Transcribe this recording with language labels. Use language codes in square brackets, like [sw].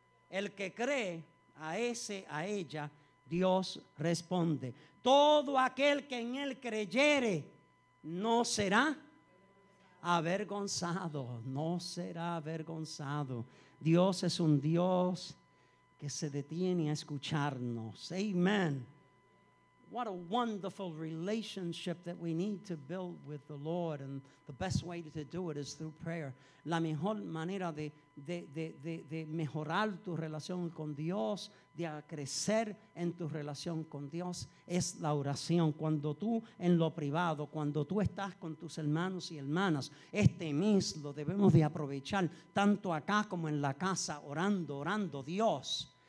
[es] El que cree a ese, a ella, Dios responde. Todo aquel que en él creyere no será avergonzado, no será avergonzado. Dios es un Dios que se detiene a escucharnos. Amen. [en] What a wonderful relationship that we need to build with the Lord, and the best way to do it is through prayer. [es] La mejor manera de mejorar tu relación con Dios, de crecer en tu relación con Dios, es la oración. Cuando tú en lo privado, cuando tú estás con tus hermanos y hermanas, este mes lo debemos de aprovechar, tanto acá como en la casa, orando Dios.